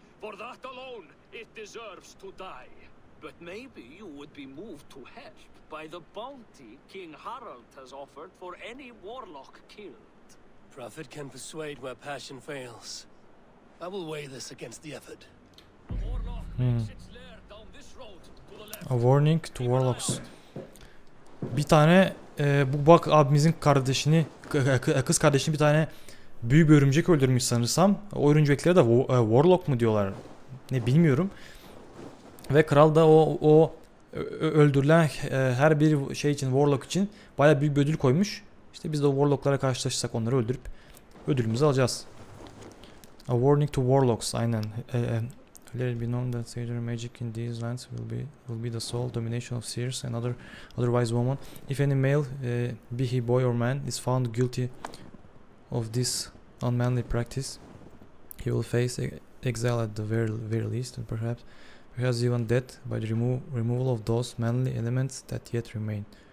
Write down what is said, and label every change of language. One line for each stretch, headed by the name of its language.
English: For that alone, it deserves to die. But maybe you would be moved to help by the bounty King Harald has offered for any warlock killed. Profit can persuade where passion fails. I will weigh this against the effort. The warlock makes its lair down this road to the left. A warning to warlocks.
Turkish: Bir tane bu bak abimizin kardeşini kız kardeşini bir tane büyük bir örümcek öldürmüş sanırsam. O örümceklere de warlock mu diyorlar? Ne bilmiyorum. Ve kral da o öldürülen her bir şey için warlock için bayağı büyük bir ödül koymuş. İşte biz de warlocklara karşılaşırsak onları öldürüp ödülümüzü alacağız.
English: A warning to warlocks.
Turkish: Aynen.
English: Let it be known that Seer magic in these lands will be the sole domination of Seers and otherwise woman. If any male, be he boy or man, is found guilty of this unmanly practice, he will face exile at the very least, and perhaps even death by the removal of those manly elements that yet remain.